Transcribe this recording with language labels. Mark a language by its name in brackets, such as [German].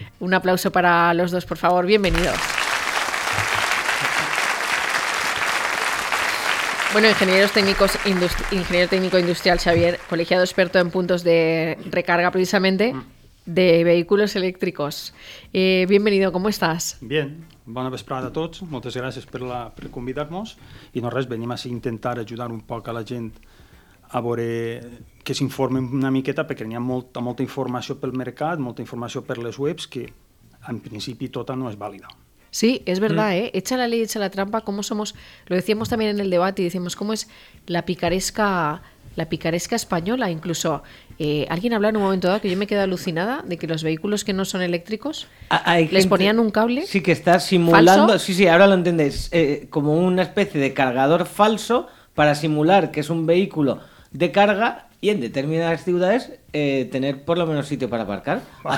[Spanish] Un aplauso para los dos, por favor. Bienvenidos. Bueno, ingeniero técnico industrial Xavier, colegiado experto en puntos de recarga precisamente de vehículos eléctricos. Bienvenido, ¿cómo estás? [Catalan] Bien, bona vesprada a tots, moltes gràcies per convidar-nos i no res, venim a intentar ajudar un poc a la gent a veure que s'informi una miqueta perquè n'hi ha molta informació pel mercat, molta informació per les webs que en principi tota no és vàlida. [Spanish] Sí, es verdad, ¿eh? Echa la ley, echa la trampa, cómo somos, lo decíamos también en el debate, y decimos cómo es la picaresca española, incluso alguien habló en un momento dado que yo me quedé alucinada de que los vehículos que no son eléctricos les ponían un cable. Sí, que está simulando, ¿falso? Sí, ahora lo entendéis, como una especie de cargador falso para simular que es un vehículo de carga y en determinadas ciudades tener por lo menos sitio para aparcar. Vale.